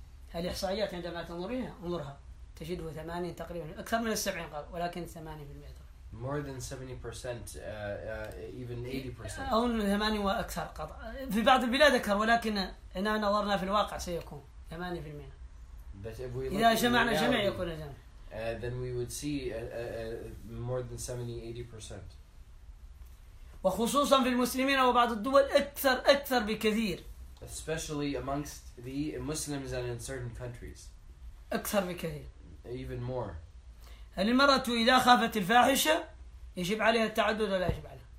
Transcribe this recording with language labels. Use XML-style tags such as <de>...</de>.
<ar>هذه الإحصائيات عندما تنظرينها انظرها تجده 80 تقريبا أكثر من 70 قال ولكن 80%.</ar> <en>More than 70%, even 80%.</en> <ar>أو 80 وأكثر قطع في بعض البلاد أكثر ولكن إن نظرنا في الواقع سيكون 80%.</ar> <en>But if we look at reality, then we would see more than 70-80%.</en> <ar>وخصوصاً في المسلمين وبعض الدول أكثر بكثير.</ar> <en>Especially amongst the Muslims and in certain countries.</en> <ar>أكثر بكثير.</ar> <en>Even more.</en> <ar>هل المرأة إذا خافت الفاحشة يجب عليها التعدد ولا يجب عليها؟</ar>